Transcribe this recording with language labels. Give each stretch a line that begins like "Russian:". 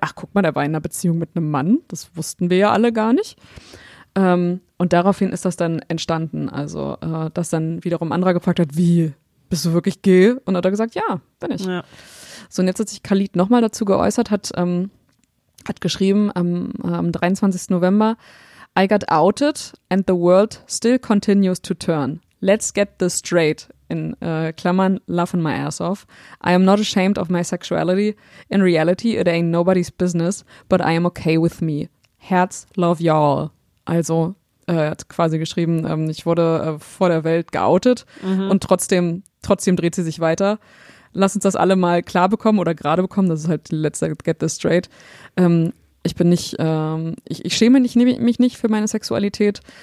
German: Ach, guck mal, der war in einer Beziehung mit einem Mann. Das wussten wir ja alle gar nicht. Und daraufhin ist das dann entstanden. Also, dass dann wiederum anderer gefragt hat, wie, bist du wirklich gay? Und hat er gesagt, ja, bin ich. Ja. So, und jetzt hat sich Khalid nochmal dazu geäußert, hat geschrieben am 23.
English: November, I got outed and the world still continues to turn. Let's get this straight.
German: In Klammern,
English: laughing my ass off. I am not ashamed of my sexuality. In reality, it ain't nobody's business, but I am okay with me.
German: Herz,
English: love y'all.
German: Also, er hat quasi geschrieben, ich wurde vor der Welt geoutet und trotzdem dreht sie sich weiter. Lass uns das alle mal klar bekommen oder gerade bekommen. Das ist halt die letzte
English: Get This Straight.
German: Ich bin nicht, ich schäme mich nicht für meine Sexualität.